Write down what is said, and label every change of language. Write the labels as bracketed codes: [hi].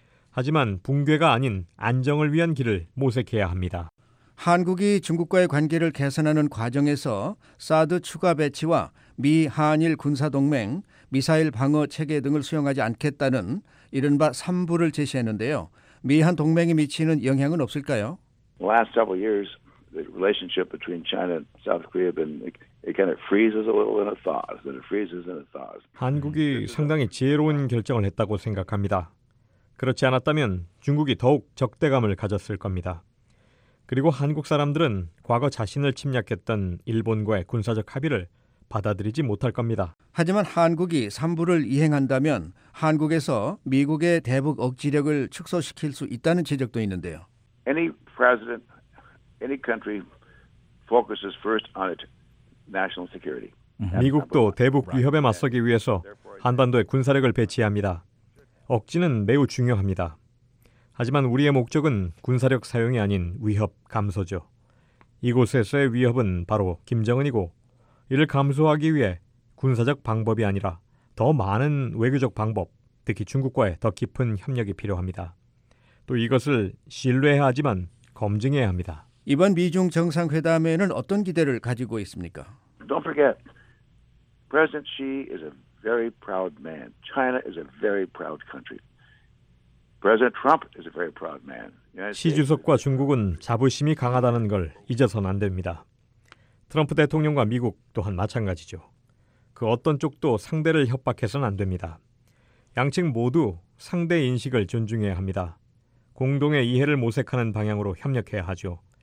[ko] 하지만 붕괴가 아닌 안정을 위한 길을 모색해야 합니다. 한국이 중국과의 관계를 개선하는 과정에서 사드 추가 배치와 미 한일 군사동맹, 미사일 방어 체계 등을 수용하지 않겠다는 이른바 3부를 제시했는데요. 미한 동맹이 미치는 영향은 없을까요? [en] Last several years, the relationship between China and South Korea has been it kind of freezes a little in a thaws and it freezes in a thaws. [ko] 한국이 상당히 지혜로운 결정을 했다고 생각합니다. 그렇지 않았다면 중국이 더욱 적대감을 가졌을 겁니다. 그리고 한국 사람들은 과거 자신을 침략했던 일본과의 군사적 합의를 받아들이지 못할 겁니다. 하지만 한국이 3부를 이행한다면 한국에서 미국의 대북 억지력을 축소시킬 수 있다는 지적도 있는데요. [en] Any president, any country focuses first on its national security. [ko] 미국도 대북 위협에 맞서기 위해서 한반도에 군사력을 배치해야 합니다. 억지는 매우 중요합니다. 하지만 우리의 목적은 군사력 사용이 아닌 위협 감소죠. 이곳에서의 위협은 바로 김정은이고 이를 감소하기 위해 군사적 방법이 아니라 더 많은 외교적 방법, 특히 중국과의 더 깊은 협력이 필요합니다. 또 이것을 신뢰해야 하지만 검증해야 합니다. 이번 미중 정상회담에는 어떤 기대를 가지고 있습니까? [en] Don't forget, President Xi is a very proud man. China is a very proud country. President Trump is a very proud man. [ko] 시 주석과 중국은 자부심이 강하다는 걸 잊어선 안 됩니다. 트럼프 대통령과 미국 또한 마찬가지죠. 그 어떤 쪽도 상대를 협박해서는 안 됩니다. 양측 모두 상대 인식을 존중해야 합니다. 공동의 이해를 모색하는 방향으로 협력해야 하죠.